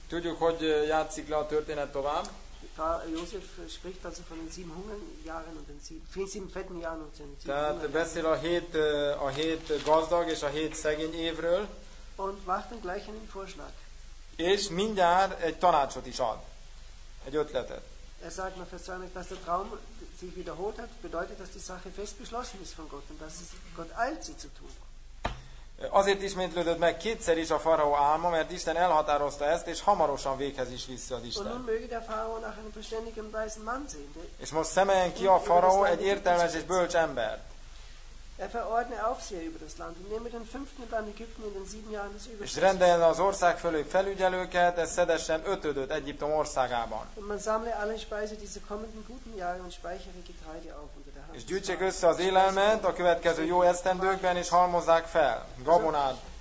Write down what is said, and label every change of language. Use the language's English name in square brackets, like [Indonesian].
[Hungarian] Tudjuk, hogy játszik le a történet tovább. [German] Josef spricht also von den sieben Hungerjahren und den sieben fetten Jahren und den sieben. [Hungarian] Tehát beszél a hét gazdag és a hét szegény évről. [German] Und macht dann gleich einen Vorschlag. [Hungarian] És mindjárt egy tanácsot is ad, egy ötletet. [German] Er sagt nach Vers 20, dass der Traum sich wiederholt hat, bedeutet, dass die Sache fest beschlossen ist von Gott und dass es Gott eilt, sie zu tun. [Hungarian] Azért ismétlődött meg kétszer is a faraó álma, mert Isten elhatározta ezt, és hamarosan véghez is viszi az Isten. [German] Und nun möge der Pharao nach einem verständigen weisen Mann sehen. [Hungarian] És most szemeljen ki a faraó egy értelmes és bölcs embert. [German] Er verordne Aufseher über das Land und nehme den fünften Land Ägypten in den sieben Jahren des Überschwemmens. [Hungarian] És rendeljen az ország fölé felügyelőket, ez szedessen ötödöt Egyiptom országában. [German] Und man sammle alle Speise dieser kommenden guten Jahre und speichere Getreide auf unter der Hand. [Hungarian] És gyűjtsék össze az élelmet a következő jó esztendőkben, és halmozzák fel gabonát.